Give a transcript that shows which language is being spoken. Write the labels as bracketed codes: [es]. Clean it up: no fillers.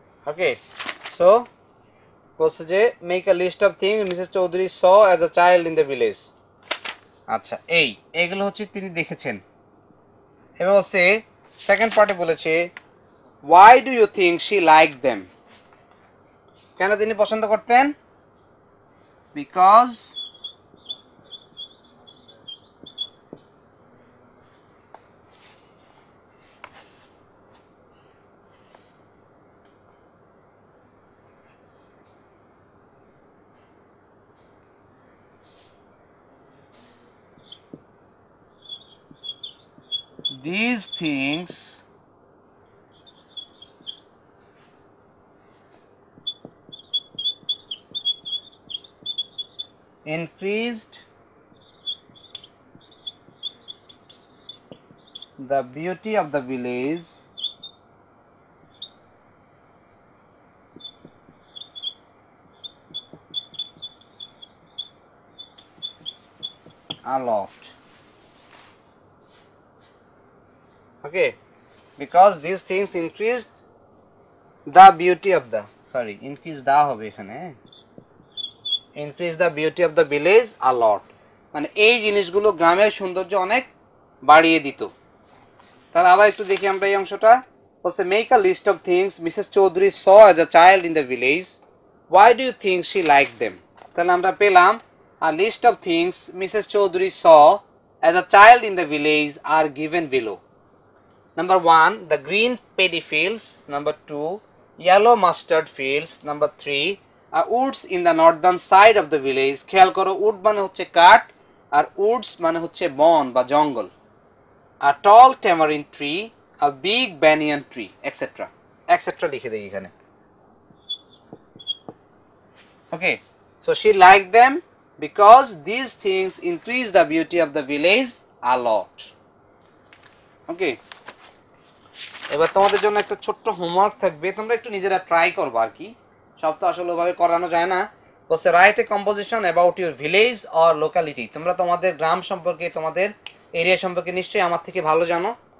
[en] okay, so [bn] বলছে যে [en] Make a list of things Mrs Chowdhury saw as a child in the village. [bn] আচ্ছা, এইগুলো হচ্ছে তিনি দেখেছেন। এবার বলছে সেকেন্ড পার্টে বলেছে, [en] why do you think she like them, [bn] কেন তিনি পছন্দ করতেন? [en] Because these things increased the beauty of the village a lot. Okay, because this things increase the beauty of the, sorry increase the হবে এখানে, increase the beauty of the village a lot, [bn] মানে এই জিনিসগুলো গ্রামের সৌন্দর্য অনেক বাড়িয়ে দিত। তাহলে আবার একটু দেখি আমরা এই অংশটা, বলছে [en] Make a list of things Mrs Chowdhury saw as a child in the village, Why do you think she liked them? [bn] তাহলে আমরা পেলাম [en] a list of things Mrs. Chowdhury saw as a child in the village are given below. Number 1, the green paddy fields. Number 2, yellow mustard fields. Number 3, a woods in the northern side of the village. [bn] খেয়াল করো, wood মানে হচ্ছে কাঠ আর woods মানে হচ্ছে বন বা জঙ্গল. [en] A tall tamarind tree, a big banyan tree, etc. etc. [bn] লিখে দেই এখানে. [en] Okay, so she liked them because these things increase the beauty of the village a lot. Okay. [bn] এবার তোমাদের জন্য একটা ছোট্ট হোমওয়ার্ক থাকবে, তোমরা একটু নিজেরা ট্রাই করবা আর কি, সব তো আসলে ওভাবে করানো যায় না. বলছে [en] Write a composition about your village or locality. [bn] তোমরা তোমাদের গ্রাম সম্পর্কে, তোমাদের এরিয়া সম্পর্কে নিশ্চয়ই আমার থেকে ভালো জানো.